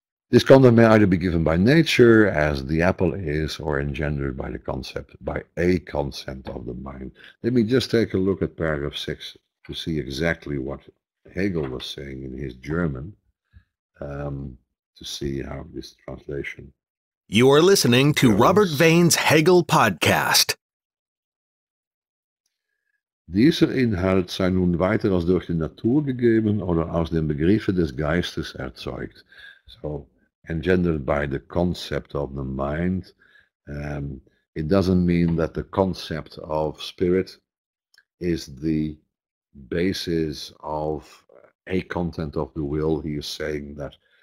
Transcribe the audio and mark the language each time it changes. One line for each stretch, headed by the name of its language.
English: This content may either be given by nature, as the apple is, or engendered by the concept, by a concept of the mind. Let me just take a look at paragraph 6 to see exactly what Hegel was saying in his German, to see how this translation. You are listening to Robert Vain's Hegel podcast.
German: Dieser Inhalt sei nun weiter als durch die Natur gegeben oder aus den Begriffen des Geistes erzeugt.
English: So, engendered by the concept of the mind. It doesn't mean that the concept of spirit is the basis of a content of the will. He is saying that